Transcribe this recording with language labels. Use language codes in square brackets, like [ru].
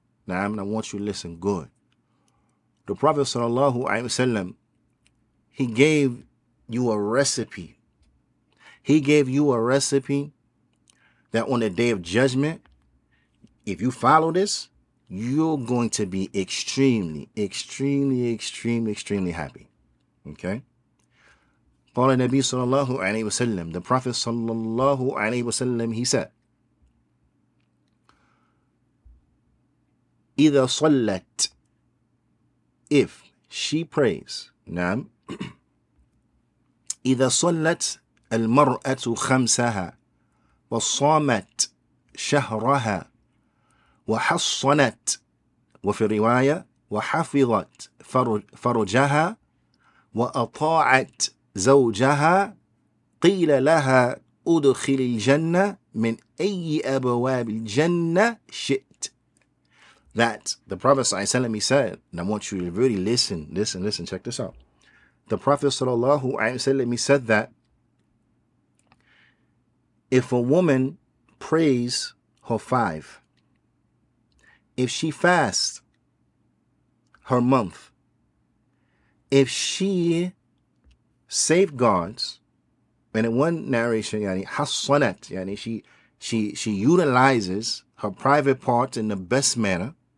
[en] Naam, I want you to listen good. The Prophet sallallahu alayhi wa sallam, he gave you a recipe. He gave you a recipe that on the day of judgment, if you follow this, you're going to be extremely, extremely, extremely, extremely happy. Okay? [ar] قال النبي صلى الله عليه وسلم, [en] the Prophet [ar] صلى الله عليه وسلم, [en] he said, [ar] إذا صلت, [en] if she prays, [ar] نعم, إذا صلت المرأة خمسها وصامت شهرها وحصنت وفي رواية وحفظت فرجها وأطاعت زوجها قيل لها أدخل الجنة من أي أبواب الجنة شئت. [en] That the Prophet sallallahu alaihi wasallam said, and I want you to really listen, check this out. The Prophet sallallahu alaihi wasallam said that if a woman prays her five, if she fasts her month, if she safeguards, and in one narration, she utilizes her private part in the best manner,